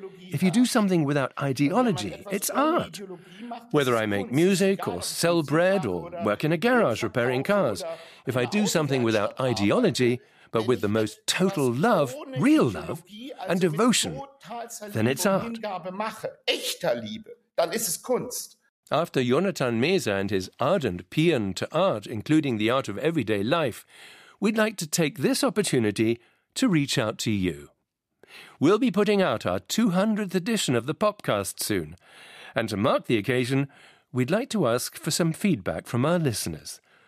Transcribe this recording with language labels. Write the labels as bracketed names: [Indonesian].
[English] If you do something without ideology, it's art. Whether I make music or sell bread or work in a garage repairing cars, if I do something without ideology, but with the most total love, real love, and devotion, then it's art. [German] Echter Liebe, dann ist es Kunst. [English] After Jonathan Mayser and his ardent paean to art, including the art of everyday life, we'd like to take this opportunity to reach out to you. We'll be putting out our 200th edition of the podcast soon. And to mark the occasion, we'd like to ask for some feedback from our listeners.